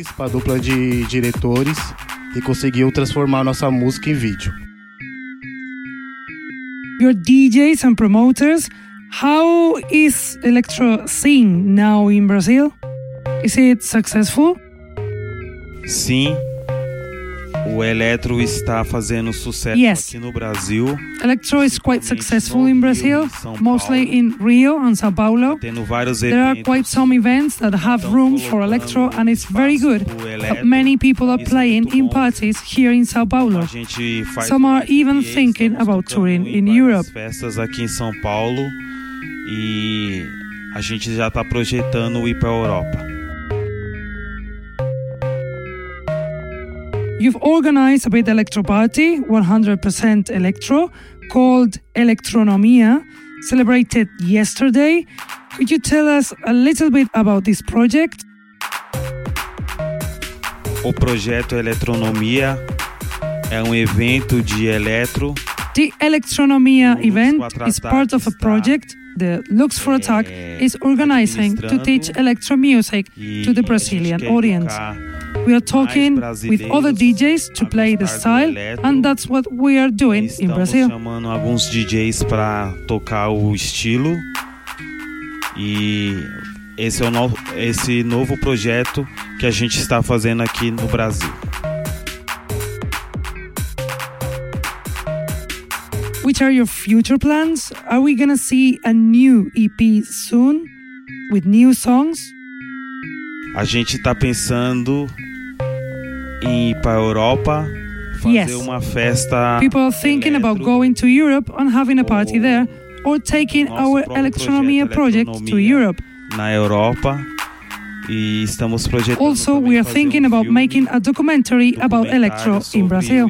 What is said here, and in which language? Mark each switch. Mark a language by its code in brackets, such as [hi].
[pt] Para a dupla de diretores e conseguiu transformar nossa música em vídeo. [en] Your DJs and promoters, how is electro scene now in Brazil? Is it successful? [pt] Sim, O Electro está fazendo sucesso aqui no Brasil. [en] Electro is quite successful in Brazil, mostly in Rio and São Paulo. [pt] Tendo vários eventos. [en] There are quite some events that have room for Electro and it's very good. But many people are playing in parties here in São Paulo. Some are even thinking about touring in Europe. [pt] Festas aqui em São Paulo e a gente já está projetando ir para a Europa. [en] You've organized a big electro party, 100% electro, called Electronomia, celebrated yesterday. Could you tell us a little bit about this project? [pt] O projeto Electronomia é evento de electro. [en] The Electronomia event is part of a project the Lux for Attack is organizing to teach electro music to the Brazilian audience. We are talking with other DJs to play the style, and that's what we are doing in Brazil. [pt] Estamos chamando alguns DJs para tocar o estilo, e esse é o esse novo projeto que a gente está fazendo aqui no Brasil. [en] Which are your future plans? Are we gonna see a new EP soon with new songs? [pt] A gente está pensando em ir para a Europa fazer uma festa. [en] People are thinking about going to Europe and having a party there, or taking our Electronomia project to Europe. [pt] Na Europa, e estamos projetando. [en] Also, we are thinking about making a documentary about electro in Brazil.